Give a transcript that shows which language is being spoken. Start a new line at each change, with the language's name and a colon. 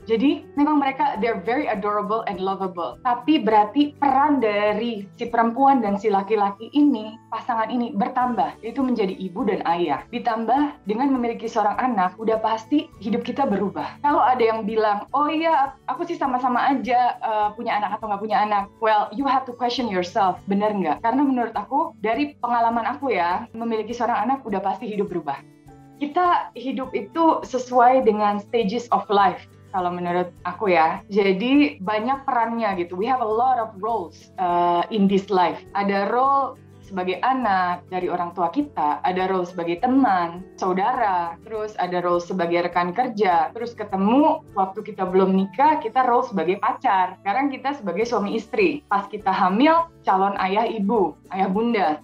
Indonesian: Jadi memang mereka,
English: they're very adorable and lovable.
Indonesian: Tapi berarti peran dari si perempuan dan si laki-laki ini, pasangan ini bertambah. Itu menjadi ibu dan ayah. Ditambah dengan memiliki seorang anak, udah pasti hidup kita berubah. Kalau ada yang bilang, oh iya, aku sih sama-sama aja punya anak atau nggak punya anak.
English: Well, you have to question yourself.
Indonesian: Benar nggak? Karena menurut aku, dari pengalaman aku ya, memiliki seorang anak, udah pasti hidup berubah. Kita hidup itu sesuai dengan
English: stages of life.
Indonesian: Kalau menurut aku ya, jadi banyak perannya gitu.
English: We have a lot of roles in this life.
Indonesian: Ada role sebagai anak dari orang tua kita, ada role sebagai teman, saudara, terus ada role sebagai rekan kerja, terus ketemu waktu kita belum nikah, kita role sebagai pacar. Sekarang kita sebagai suami istri. Pas kita hamil, calon ayah ibu, ayah bunda.